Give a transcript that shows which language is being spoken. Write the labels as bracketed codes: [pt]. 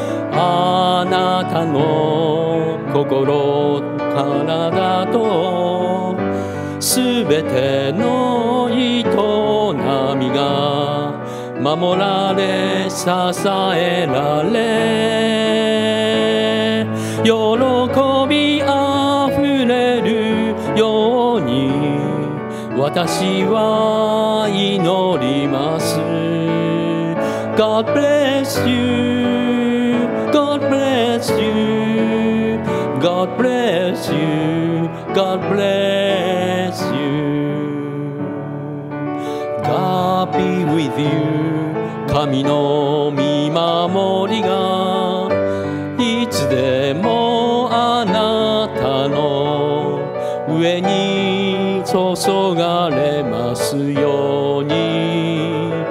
[ja] あなたの心、体とすべての営みが守られ支えられ、喜びあふれるように私は祈ります。 [en] God bless you, God bless you, God bless you, God bless you. God be with you. [ja] 神の見守りがいつでもあなたの上に注がれますように。